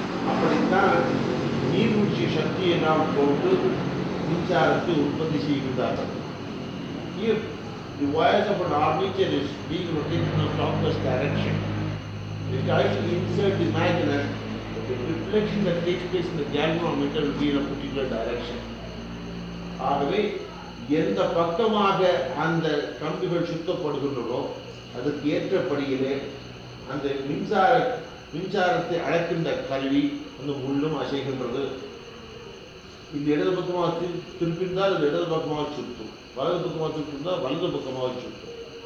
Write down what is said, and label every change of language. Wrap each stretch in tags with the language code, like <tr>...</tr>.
<ta>அப்படித்தான் நீர்மூழ்ச்சி சக்தியை நாம் கொண்டு மின்சாரத்தை உற்பத்தி செய்கின்றார்கள்.</ta> <en>Reflection that takes place in the galvanometer will be in a particular direction.</en> <ta>ஆகவே எந்த பக்கமாக அந்த கம்பிகள் சுத்தப்படுகின்றனோ அதற்கு ஏற்றபடியிலே அந்த மின்சாரத்தை அழைக்கின்ற கருவி அந்த முள்ளும் அசைகின்றது. இந்த இடது பக்கமாக திருப்பிருந்தால் அது இடது பக்கமாக சுற்றும், வலது பக்கமாக திருப்பிருந்தால் வலது பக்கமாக சுற்றும்.</ta>